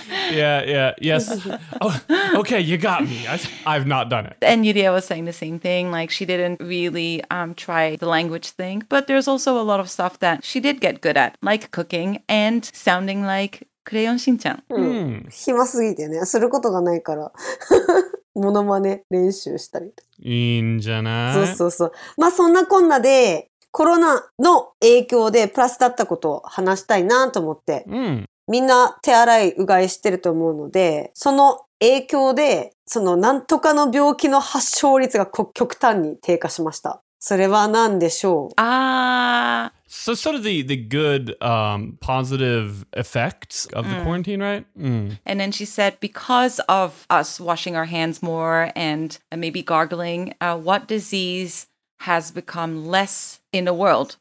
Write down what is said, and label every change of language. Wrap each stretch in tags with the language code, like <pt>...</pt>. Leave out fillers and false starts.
<en>yeah, yeah, yes. Oh, okay, you got me. I've not done it. And Yuria was saying the same thing. Like, she didn't really try the language thing. But there's also a lot of stuff that she did get good at, like cooking and sounding like Crayon Shin-chan. Mm.</en> <ja>暇すぎてね、することがないから。モノマネ練習したり。いいんじゃない？そうそうそう。まあ、そんなこんなで、コロナの影響でプラスだったことを話したいなと思って。うん。みんな手洗いうがいしてると思うので、その影響で、そのなんとかの病気の発症率が極端に低下しました。それは何でしょう？ああ。</ja> <en>So sort of the good positive effects of the quarantine, right? Mm. And then she said because of us washing our hands more and maybe gargling, what disease has become less in the world?</en>